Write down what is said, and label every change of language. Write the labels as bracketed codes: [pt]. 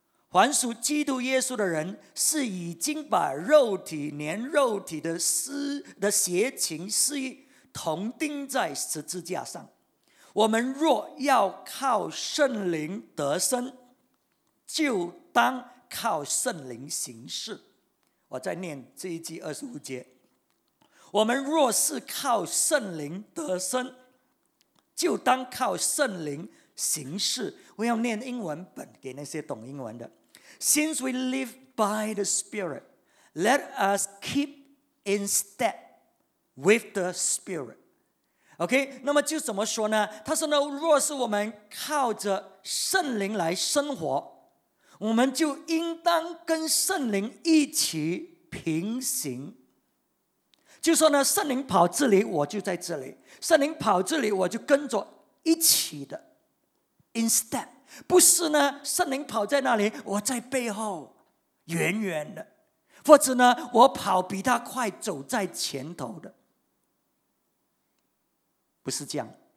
[zh] 凡属基督耶稣的人是已经把肉体连肉体的邪情私欲同钉在十字架上，我们若要靠圣灵得生，就当靠圣灵行事。我再念这一句二十五节，我们若是靠圣灵得生，就当靠圣灵行事。我要念英文本给那些懂英文的。 [en] Since we live by the Spirit, let us keep in step with the Spirit. [zh] OK, 那么就怎么说呢？他说呢，若是我们靠着圣灵来生活，我们就应当跟圣灵一起平行。就说呢，圣灵跑这里我就在这里，圣灵跑这里我就跟着一起的 instead， 不是呢圣灵跑在那里我在背后远远的，或者呢我跑比他快走在前头的，不是这样。